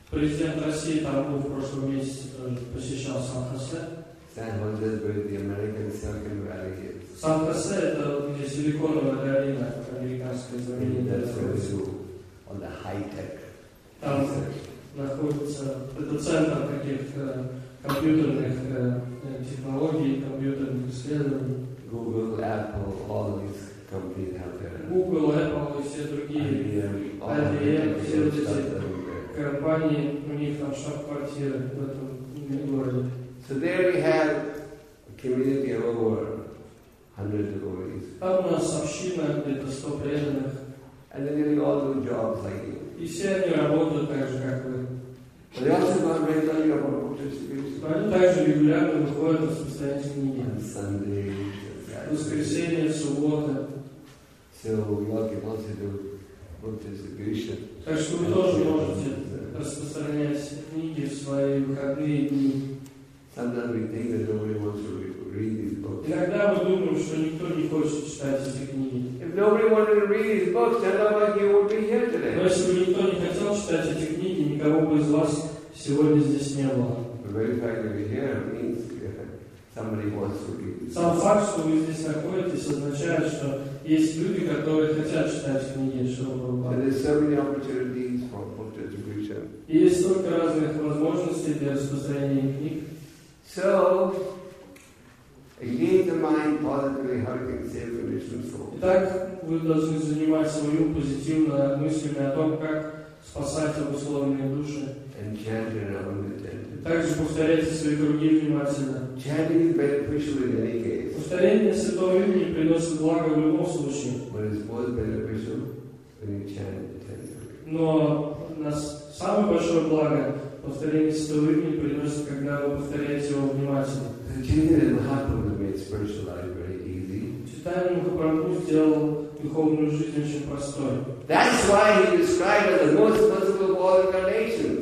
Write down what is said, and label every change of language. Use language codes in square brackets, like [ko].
[ru] Президент России там был в прошлом месяце, посещал Сан-Хосе. [en] San Jose is where the American Silicon Valley is. San Jose, the Silicon Valley, that's where we do all the high tech. [ru] Там находится это центр каких компьютерных технологий, компьютерных исследований. [en] Google, Apple, all these companies out there. [ru] Google, Apple и все другие. IBM, все эти компании, у них там штаб-квартира в этом городе. [en] So there we have a community of over hundreds of devotees. [ru] Там у нас община где-то 100 преданных. [en] And they nearly all do jobs like you. [ru] И все они работают так же, как вы. [en] But they also come regularly on book distribution. [ru] Они также регулярно выходят распространять книги. [en] On Sunday, [ru] воскресенье, суббота. [en] So you all can also do book distribution. [ru] Так что вы тоже можете распространять книги в свои выходные дни. [en] Sometimes we think that nobody wants to read these books. [ru] Иногда мы думаем, что никто не хочет читать эти книги. [en] If nobody wanted to read these books, then nobody would be here today. [ru] Но если бы никто не хотел читать эти книги, никого бы из вас сегодня здесь не было. [en] The very fact that you're here means somebody wants to read. [ru] Сам факт, что вы здесь находитесь, означает, что есть люди, которые хотят читать книги, чтобы. [en] There's so many opportunities for book distribution. [ru] И есть столько разных возможностей для распространения книг. [en] So, engage the mind positively, how you can save conditioned souls. [ru] Итак, вы должны занимать свой ум позитивно мыслями о том, как спасать обусловленные души. [en] And chant your own intention. [ru] Также повторяйте свои круги внимательно. [en] Chanting is beneficial in any case. [ru] Повторение святого имени приносит благо в любом случае. [en] But it's more beneficial when you chant intentionally. [ru] Но нас самое большое благо повторение святого имени приносит, когда вы повторяете его внимательно. [en] Читание Махапрабху made spiritual life very easy. [ru] Читание Махапрабху сделал духовную жизнь очень простой. [en] That's why he described as the most merciful of all incarnations.